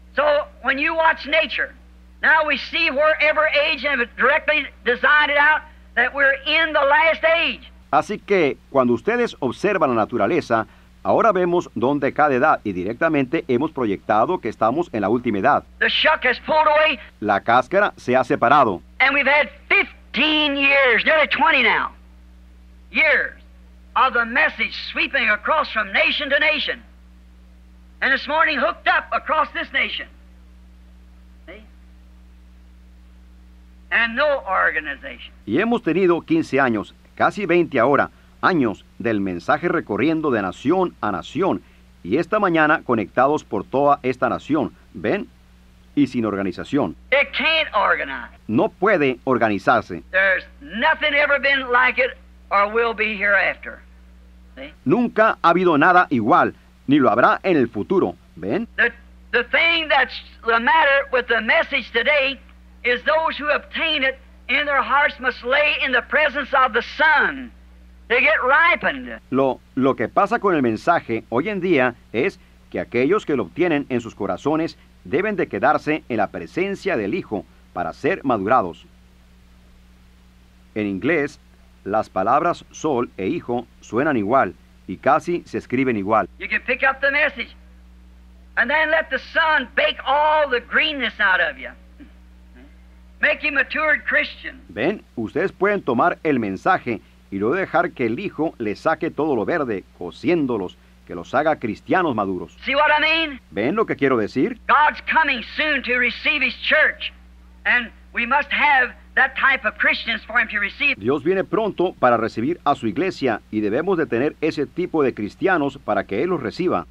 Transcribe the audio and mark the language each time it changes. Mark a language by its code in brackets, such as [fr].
[en] So, when you watch nature, now we see wherever age and directly designed it out that we're in the last age. [es] Así que, cuando ustedes observan la naturaleza, ahora vemos dónde cada edad y directamente hemos proyectado que estamos en la última edad. [en] The shuck has pulled away. [es] La cáscara se ha separado. [en] And we've had 15 years, nearly 20 now, years of the message sweeping across from nation to nation. And this morning hooked up across this nation. See? And no organization. [es] Y hemos tenido 15 años, casi 20 ahora, años del mensaje recorriendo de nación a nación y esta mañana conectados por toda esta nación, ¿ven? Y sin organización. [en] It can't organize. [es] No puede organizarse. [en] There's nothing ever been like it or will be hereafter. See? [es] Nunca ha habido nada igual, ni lo habrá en el futuro, ¿ven? [en] The thing that's the matter with the message today is those who obtain it in their hearts must lay in the presence of the Son. They get ripened. [es] Lo que pasa con el mensaje hoy en día es que aquellos que lo obtienen en sus corazones deben de quedarse en la presencia del Hijo para ser madurados. En inglés, las palabras sol e hijo suenan igual y casi se escriben igual. [en] You can pick up the message and then let the Son bake all the greenness out of you. Make you matured Christian. [es] Ven, ustedes pueden tomar el mensaje y luego dejar que el Hijo le saque todo lo verde, cociéndolos, que los haga cristianos maduros. [en] See what I mean? [es] ¿Ven lo que quiero decir? [en] God's coming soon to receive His church, and we must have that type of Christians for Him to receive. [es] Dios viene pronto para recibir a su iglesia, y debemos de tener ese tipo de cristianos para que Él los reciba.